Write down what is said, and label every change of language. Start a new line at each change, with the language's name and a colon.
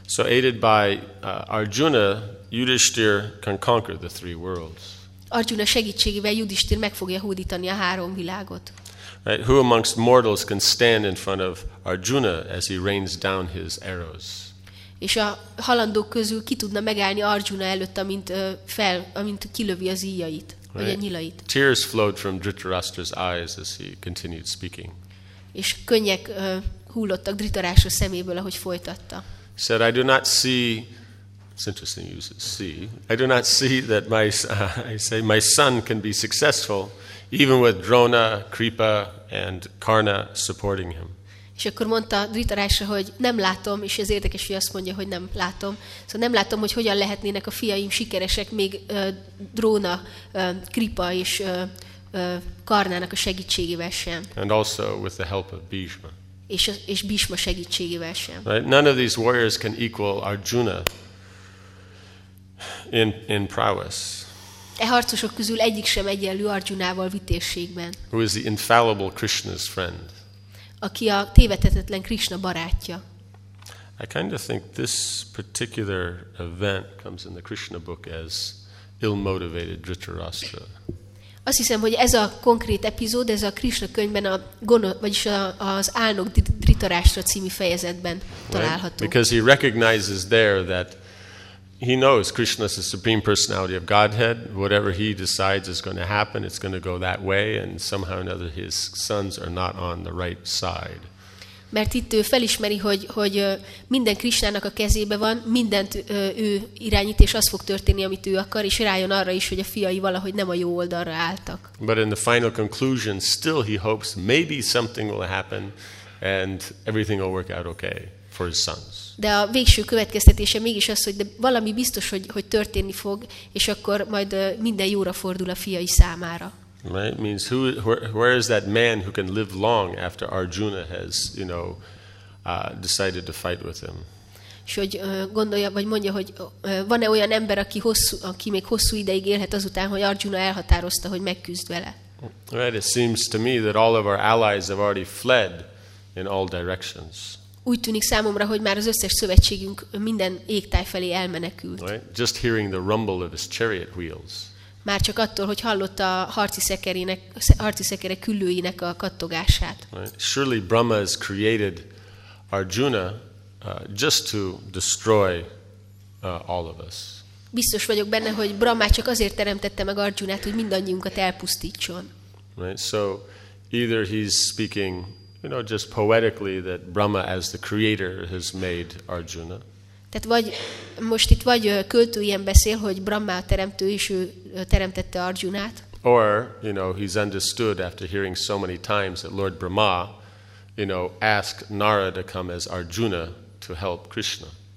English: So aided by Arjuna, Yudhishthira can conquer the three worlds.
Hungarian: Arjuna segítségével Yudhisthir meg fogja hódítani a három világot.
English: Right, who amongst mortals can stand in front of Arjuna as he rains down his arrows?
Hungarian: És a halandók közül ki tudna megállni Arjuna előtt, amint kilövi az íjait, right, vagy a nyilait.
English: Tears flowed from Dhritarashtra's eyes as he continued speaking.
Hungarian: És könnyek hullottak Dhritarashtra szeméből, ahogy folytatta.
English: He said, I do not see, it's interesting to use see, I do not see that my son can be successful even with Drona, Kripa and Karna supporting him.
Hungarian: És akkor mondta Dhritarashtra, hogy nem látom, és ez érdekes, hogy azt mondja, hogy nem látom. Szóval nem látom, hogy hogyan lehetnének a fiaim sikeresek, még Drona, Kripa és Karnának a segítségével sem.
English: And also with the help of Bhishma.
Hungarian: És Bhishma segítségével sem.
English: Right? None of these warriors can equal Arjuna in prowess.
Hungarian: E harcosok közül egyik sem egyenlő Arjunával vitézségben.
English: Who is the infallible Krishna's friend.
Hungarian: Aki a tévedhetetlen Krishna barátja.
English: I kind of think this particular event comes in the Krishna book as ill-motivated Dhritarashtra.
Hungarian: Azt hiszem, hogy ez a konkrét epizód, ez a Krishna könyvben vagyis az álnok Dhritarashtra című fejezetben található.
English: Right? Because he recognizes there that he knows Krishna is the supreme personality of Godhead. Whatever he decides is going to happen, it's going to go that way, and somehow or another his sons are not on the right side.
Hungarian: Mert itt ő felismeri, hogy minden Krishnának a kezébe van, mindent ő irányít, és az fog történni, amit ő akar, és rájön arra is, hogy a fiai valahogy nem a jó oldalra álltak.
English: But in the final conclusion, still he hopes maybe something will happen, and everything will work out okay. For his sons.
Hungarian: De a végső következtetése mégis az, hogy de valami biztos, hogy történni fog, és akkor majd minden jóra fordul a fiai számára.
English: Right? Means where is that man who can live long after Arjuna has, you know, decided to fight with him?
Hungarian: És hogy gondolja, vagy mondja, hogy van-e olyan ember, aki még hosszú ideig élhet azután, hogy Arjuna elhatározta, hogy megküzd vele.
English: Right? It seems to me that all of our allies have already fled in all directions.
Hungarian: Úgy tűnik számomra, hogy már az összes szövetségünk minden égtáj felé elmenekült.
English: Right? Just hearing the rumble of his chariot wheels.
Hungarian: Már csak attól, hogy hallott a harci szekere küllőinek a kattogását.
English: Right? Surely Brahma has created Arjuna just to destroy all of us.
Hungarian: Biztos vagyok benne, hogy Brahma csak azért teremtette meg Arjunát, hogy mindannyiunkat elpusztítson.
English: Right? So either he's speaking, you know, just poetically that Brahma as the creator has made Arjuna.
Hungarian: Tehát vagy most itt vagy költő ilyen beszél, hogy Brahma a teremtő és ő teremtette Arjunát.
English: Or, you know, he's understood after hearing so many times that Lord Brahma, you know, asked Nara to come as Arjuna to help Krishna.